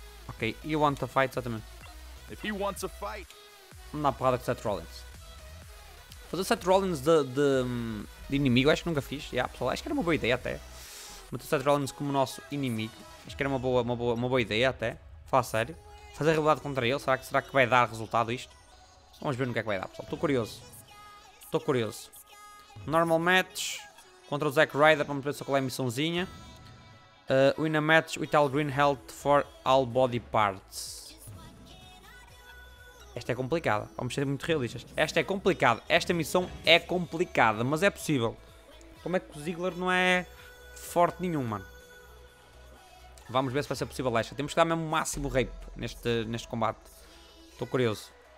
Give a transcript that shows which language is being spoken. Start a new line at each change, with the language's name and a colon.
English: Okay, he wants a fight, gentlemen. If he wants a fight... I'm not proud of Seth Rollins.
Portuguese: Fazer Seth Rollins de inimigo, acho que nunca fiz. Yeah, pessoal, acho que era uma boa ideia até. Meter Seth Rollins como nosso inimigo. Acho que era uma boa ideia até. Falar sério. Fazer rivalidade contra ele. Será que vai dar resultado isto? Vamos ver no que é que vai dar, pessoal. Estou curioso. Normal match contra o Zack Ryder. Vamos ver só qual é a missãozinha.
English: Win a match with all green health for all body parts.
Portuguese: Esta é complicada. Vamos ser muito realistas. Esta é complicada. Esta missão é complicada. Mas é possível. Como é que o Ziggler não é forte nenhum, mano? Vamos ver se vai ser possível esta. Temos que dar mesmo o máximo rape neste combate. Estou curioso.